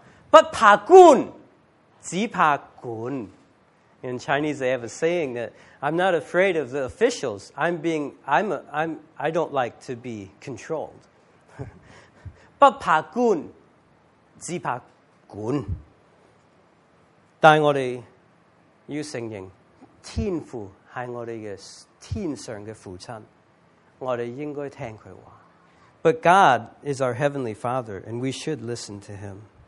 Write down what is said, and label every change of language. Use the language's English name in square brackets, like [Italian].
[Chinese] 我们不喜欢有神管我。我们中国人说，不怕官，只怕管。 [English] In Chinese, they have a saying that I'm not afraid of the officials. I don't like to be controlled. [Chinese] 不怕官，只怕管。但我们要承认，天父是我们的天上的父亲，我们应该听他话。 [English] But God is our Heavenly Father, and we should listen to Him.